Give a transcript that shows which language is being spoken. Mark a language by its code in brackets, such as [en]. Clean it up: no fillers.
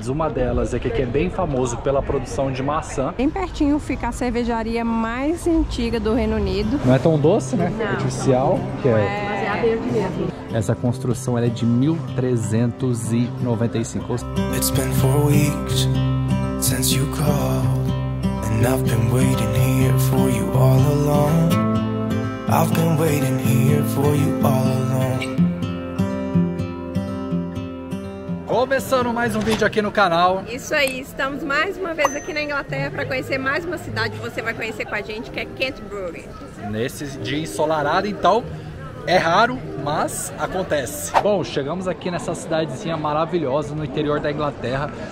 [pt] Uma delas é que aqui é bem famoso pela produção de maçã. Bem pertinho fica a cervejaria mais antiga do Reino Unido. Não é tão doce, né? Não, artificial, não. Que é. Mas é aberto mesmo. Essa construção ela é de 1395. [en] It's been 4 weeks since you called, and I've been waiting here for you all along. I've been waiting here for you all along. [pt] Começando mais um vídeo aqui no canal. Isso aí, estamos mais uma vez aqui na Inglaterra para conhecer mais uma cidade que você vai conhecer com a gente, que é Canterbury. Nesse dia ensolarado, então, é raro, mas acontece. Bom, chegamos aqui nessa cidadezinha maravilhosa no interior da Inglaterra.